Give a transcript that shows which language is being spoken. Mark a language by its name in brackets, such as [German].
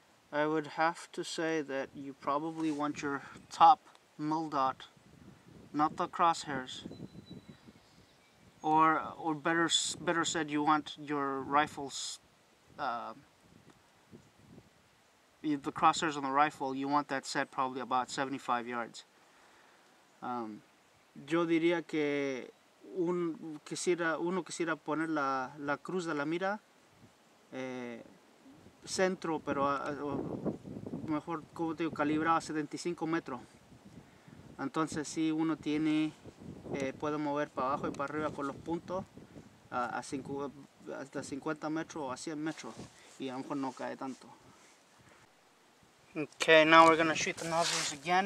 [English] I would have to say that you probably want your top mill dot, not the crosshairs. Or better said, you want your rifle's the crosshairs on the rifle, you want that set probably about 75 yards. [Spanish] Yo diría que uno quisiera poner la cruz de la mira centro, pero mejor, como te digo, calibrado a 75 metros. Entonces, si uno tiene, puede mover para abajo y para arriba con los puntos a 50 metros o a 100 metros. [English] Okay, now we're gonna shoot the nozzles again.